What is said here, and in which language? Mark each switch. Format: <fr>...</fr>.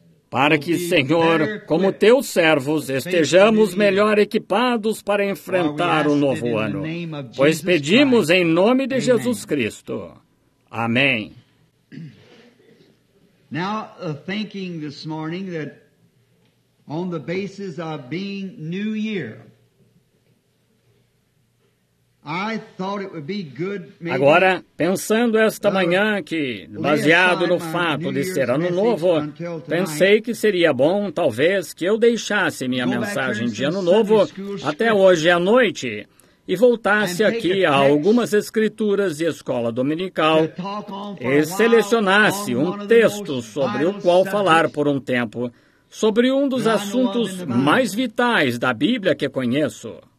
<pt>para que, Senhor, como teus servos, estejamos melhor equipados para enfrentar o novo ano. Pois pedimos em nome de Jesus Cristo. Amém.</pt> <en>Now, thinking this morning that on the basis of being New Year, I thought it would be good, maybe,</en> <pt>agora, pensando esta manhã que, baseado no fato de ser ano novo, pensei que seria bom, talvez, que eu deixasse minha mensagem de ano novo até hoje à noite e voltasse aqui a algumas escrituras de escola dominical e selecionasse um texto sobre o qual falar por um tempo, sobre um dos assuntos mais vitais da Bíblia que conheço.</pt>